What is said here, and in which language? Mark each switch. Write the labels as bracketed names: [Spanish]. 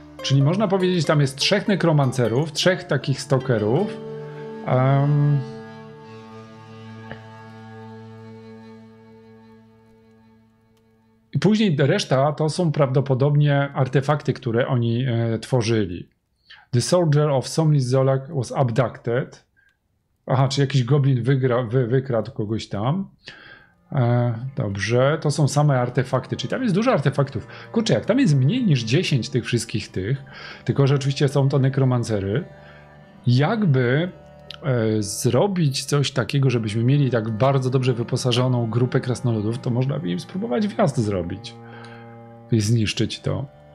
[Polish] Czyli można powiedzieć, tam jest trzech nekromancerów, trzech takich stalkerów. I później reszta to są prawdopodobnie artefakty, które oni tworzyli. [English] The Soldier of Somnis Zolak was abducted. [Polish] Aha, czy jakiś goblin wykradł kogoś tam. Dobrze, to są same artefakty, czyli tam jest dużo artefaktów. Kurczę, jak tam jest mniej niż 10 tych wszystkich tych, tylko że oczywiście są to nekromancery, jakby zrobić coś takiego, żebyśmy mieli tak bardzo dobrze wyposażoną grupę krasnoludów, to można by im spróbować wjazd zrobić i zniszczyć to.